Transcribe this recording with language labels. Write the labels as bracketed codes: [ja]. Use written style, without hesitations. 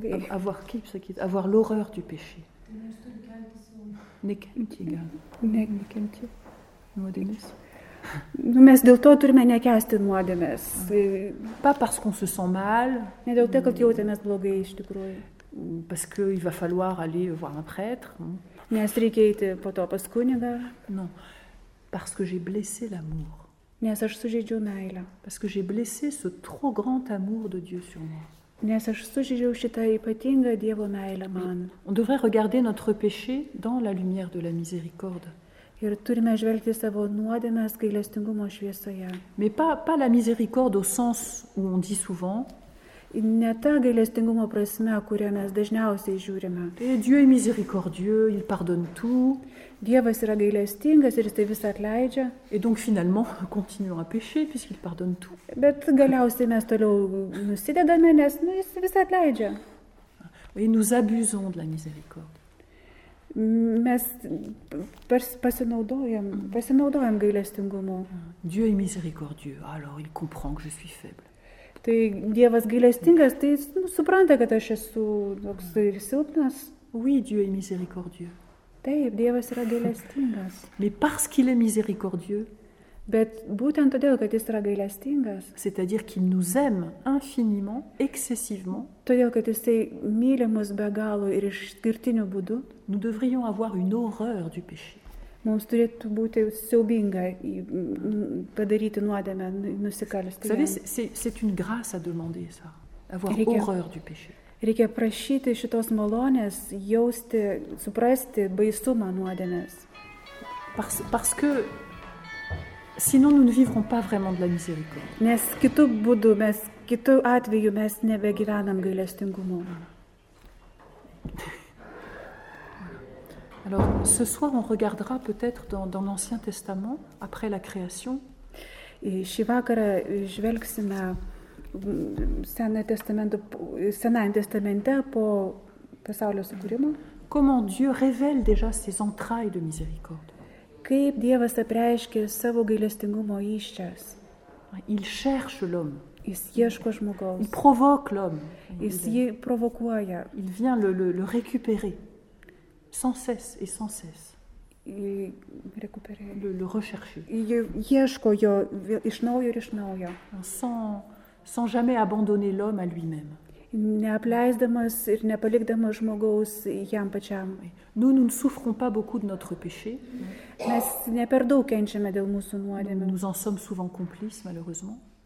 [fr] Avoir qui, ce qui, avoir l'horreur du péché. [lt] Nu, mes dėl to turime nekęsti nuodėmės. [fr] Pas parce qu'on se sent mal. [lt] Ne dėl to, kad jautėmės blogai, iš tikrųjų. [fr] Parce que il va falloir aller voir un prêtre. [lt] Nes reikia eiti po to pas kunigą. [fr] Non, parce que j'ai blessé l'amour. [lt] Nes aš sužeidžiau meilę. [fr] Parce que j'ai blessé ce trop grand amour de Dieu sur moi. [lt] Nes aš sužeidžiau šitą ypatingą Dievo meilę man. [fr] On devrait regarder notre péché dans la lumière de la miséricorde. [lt] Ir turime žvelgti savo nuodėmes gailestingumo šviesoje. [fr] Mais pas la miséricorde au sens où on dit souvent. [lt] Ne ta gailestingumo prasme, kurią mes dažniausiai žiūrime. [fr] Et Dieu est miséricordieux, il pardonne tout. [lt] Dievas yra gailestingas ir jis tai visą atleidžia. [fr] Et donc finalement, continuons à pécher puisqu'il pardonne tout. [lt] Bet galiausiai mes toliau nusidedame, nes jis visą atleidžia. [fr] Et nous abusons de la miséricorde. [lt] Mes pasinaudojam gailestingumu. [fr] Dieu est miséricordieux, alors il comprend que je suis faible. [lt] Tai Dievas gailestingas, tai supranta, kad aš esu toks ir silpnas. [fr] Oui, Dieu est miséricordieux. [lt] Taip, Dievas yra gailestingas. [fr] Mais parce qu'il est miséricordieux. [lt] Bet būtent todėl, kad jis yra gailestingas. [fr] C'est-à-dire qu'il nous aime infiniment, excessivement. [lt] Todėl, kad jis myli mus be galo ir išskirtiniu būdu. [fr] Nous devrions avoir une horreur du péché. [lt] Mums turėtų būti siaubinga padaryti nuodėmę, nusikalsti. [fr] Vous savez, c'est une grâce à demander ça, avoir horreur du péché. [lt] Reikia prašyti šitos malonės, jausti, suprasti baisumą nuodėmės. [fr] Parce que sinon nous ne vivrons pas vraiment de la miséricorde. [lt] Nes kitu būdu, mes kitu atveju mes nebegyvenam gailestingumu. [fr] Alors ce soir on regardera peut-être dans l'Ancien Testament après la création. [lt] Šį vakarą žvelgsime Senajame testamente po pasaulio sukūrimo. [fr] Comment Dieu révèle déjà ses entrailles de miséricorde? [lt] Kaip Dievas apreiškia savo gailestingumo įsčias. [fr] Il cherche l'homme. [lt] Jis ieško žmogaus. [fr] Il provoque l'homme. [lt] Jis jį provokuoja. [fr] Il vient le récupérer. Sans cesse et sans cesse. Récupérer. Le rechercher. [lt] Jis ieško jo iš naujo ir iš naujo. [fr] Sans jamais abandonner l'homme à lui-même. [lt] Neapleisdamas ir nepalikdamas žmogaus jam pačiam. [fr] Nous ne souffrons pas beaucoup de notre péché. [lt] Mes ne per daug kenčiame dėl mūsų nuodėmių. [fr] Nous en sommes souvent complices, malheureusement.